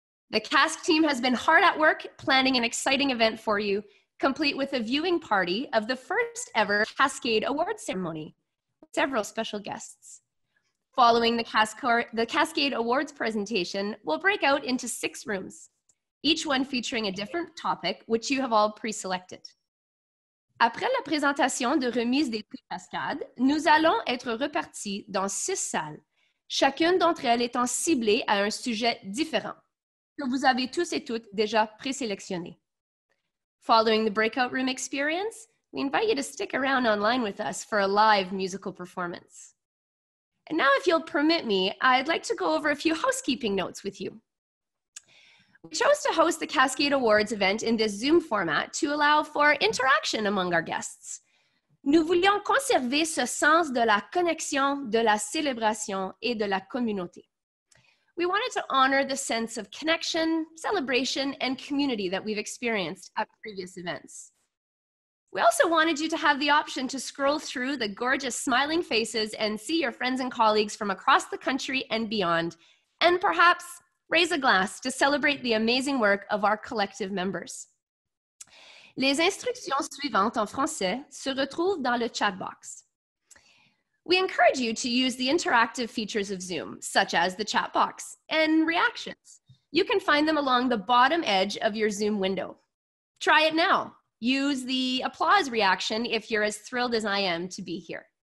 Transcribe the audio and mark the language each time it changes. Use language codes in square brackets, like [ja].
[en] The CASC team has been hard at work planning an exciting event for you, complete with a viewing party of the first ever CASCADE Awards ceremony, with several special guests. Following the CASCADE Awards presentation, we'll break out into six rooms, each one featuring a different topic, which you have all pre-selected. [fr] Après la présentation de remise des prix CASCADE, nous allons être repartis dans six salles, chacune d'entre elles étant ciblée à un sujet différent, que vous avez tous et toutes déjà présélectionné. [en] Following the breakout room experience, we invite you to stick around online with us for a live musical performance. And now, if you'll permit me, I'd like to go over a few housekeeping notes with you. We chose to host the CASCADE Awards event in this Zoom format to allow for interaction among our guests. [fr] Nous voulions conserver ce sens de la connexion, de la célébration et de la communauté. [en] We wanted to honor the sense of connection, celebration, and community that we've experienced at previous events. We also wanted you to have the option to scroll through the gorgeous smiling faces and see your friends and colleagues from across the country and beyond, and perhaps raise a glass to celebrate the amazing work of our collective members. [fr] Les instructions suivantes en français se retrouvent dans le chat box. [en] We encourage you to use the interactive features of Zoom, such as the chat box and reactions. You can find them along the bottom edge of your Zoom window. Try it now. Use the applause reaction if you're as thrilled as I am to be here.